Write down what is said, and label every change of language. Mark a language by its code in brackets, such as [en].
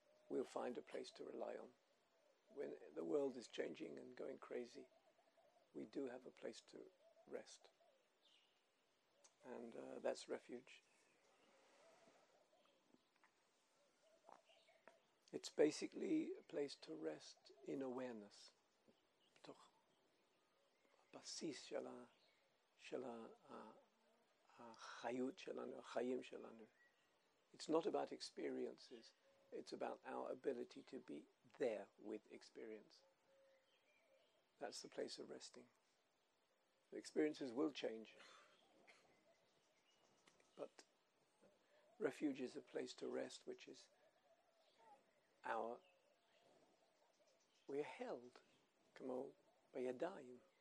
[en] We'll find a place to rely on. When the world is changing and going crazy, we do have a place to rest. And that's refuge. It's basically a place to rest in awareness. [he] בתוך הבסיס של החיות שלנו, החיים שלנו. [en] It's not about experiences. It's about our ability to be there with experience. That's the place of resting. The experiences will change. But refuge is a place to rest, which is we are held, [he] כמו בידיים.